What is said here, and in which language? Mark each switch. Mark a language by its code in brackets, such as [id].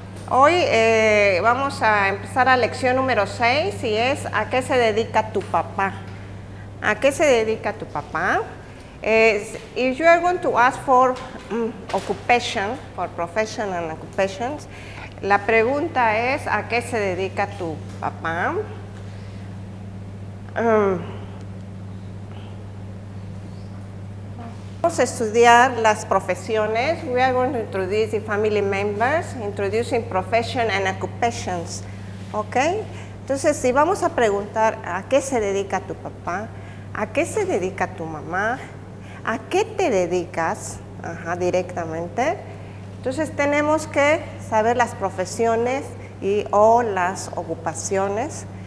[es] Hoy vamos a empezar a lección número 6 y es ¿a qué se dedica tu papá? ¿A qué se dedica tu papá? [en] Is you are going to ask for occupation, for profession and occupations. [es] La pregunta es ¿a qué se dedica tu papá? Vamos a estudiar las profesiones. [en] We are going to introduce the family members, introducing profession and occupations. [es] ¿Ok? Entonces, si vamos a preguntar ¿a qué se dedica tu papá? ¿A qué se dedica tu mamá? ¿A qué te dedicas? Ajá, directamente. Entonces, tenemos que saber las profesiones y o las ocupaciones.